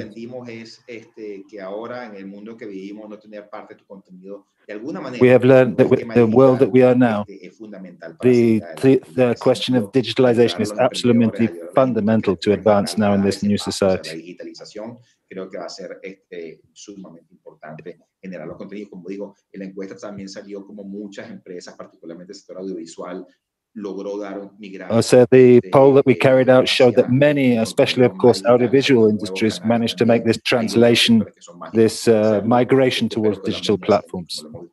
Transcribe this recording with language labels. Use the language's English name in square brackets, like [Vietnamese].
[Spanish] Lo que aprendimos es que ahora en el mundo que vivimos no tener parte de tu contenido de alguna manera. [English] We have learned that the world that we are now, [Spanish] es fundamental [English] para the question of digitalization is absolutely fundamental to advance now in this new society. [Spanish] La digitalización creo que va a ser sumamente importante generar los contenidos. Como digo, en la encuesta también salió como muchas empresas, particularmente el sector audiovisual, [English] So the poll that we carried out showed that many, especially of course audiovisual industries, managed to make this translation, this migration towards digital platforms.